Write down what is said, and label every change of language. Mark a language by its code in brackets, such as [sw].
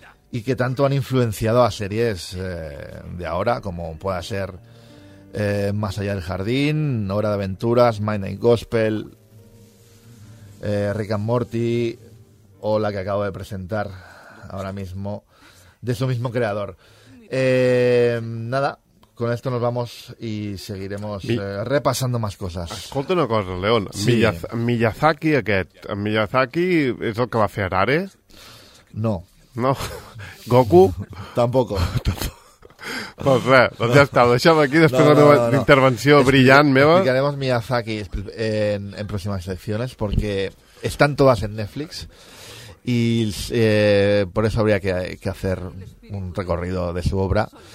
[es] Y que tanto han influenciado a series de ahora, como pueda ser Más allá del jardín, Hora de aventuras, Midnight Gospel, Rick and Morty, o la que acabo de presentar ahora mismo, de su mismo creador. Nada, con esto nos vamos y seguiremos repasando más cosas. [ca] Escolta una cosa, León. Sí. Miyazaki aquest. Miyazaki és el que va fer Harare? No. No? Goku? [es] Tampoco. [ca] Pues res, doncs ja està, deixem aquí després la meva intervenció brillant meva. [es] Explicaremos Miyazaki en próximas secciones, porque están todas en Netflix. Y por eso habría que hacer un recorrido de su obra.